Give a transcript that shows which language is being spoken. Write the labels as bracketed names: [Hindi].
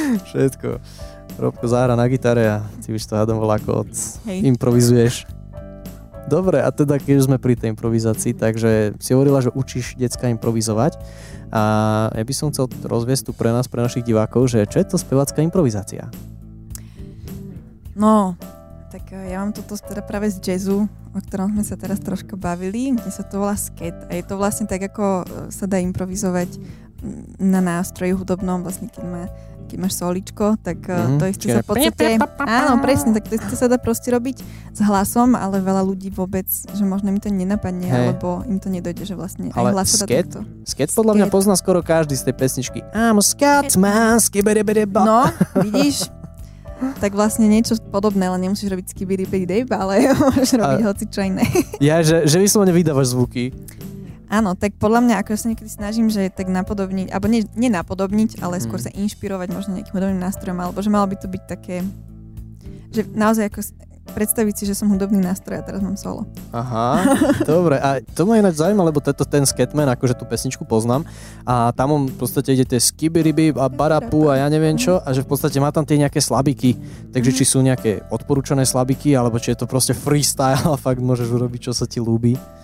[Slovak] Všetko. Robko zahrá na gitare a ty byš to hádom volá, ako od... improvizuješ. Dobre, a teda keď sme pri tej improvizácii, takže si hovorila, že učíš decka improvizovať. A ja by som chcel rozviesť tu pre nás, pre našich divákov, že čo je to spevácka improvizácia? No, tak ja mám toto teda práve z jazzu, o ktorom sme sa teraz troška bavili. Mne sa to volá sket a je to vlastne tak, ako sa dá improvizovať na nástroji hudobnom, vlastne keď máš soličko, tak to isté sa v podstate... Áno, presne, tak to isté sa dá proste robiť s hlasom, ale veľa ľudí vôbec, že možno im to nenapadne, hej, alebo im to nedojde, že vlastne ale aj hlas sa dá sket, takto. Sket podľa mňa pozná skoro každý z tej pesničky. [English] I'm a scat man, skibiribiriba. [Slovak] No, vidíš, tak vlastne niečo podobné, ale nemusíš robiť skibiribiribiriba, ale môžeš robiť hocičo iné. Ja, že vyslovene vydávaš zvuky. Áno, tak podľa mňa, ako ja sa niekedy snažím, že tak napodobniť, alebo nie napodobniť, ale skôr sa inšpirovať možno nejakým hudobným nástrojom, alebo že malo by to byť také, že naozaj ako predstaviť si, že som hudobný nástroj a teraz mám solo. Aha, dobre. A to ma ináč zaujíma, lebo toto ten Scatman, akože tú pesničku poznám a tam on v podstate ide tie skibiriby a barapu a ja neviem čo a že v podstate má tam tie nejaké slabiky, takže či sú nejaké odporúčané slabiky, alebo či je to proste freestyle a fakt môžeš urobiť, čo sa ti ľúbi.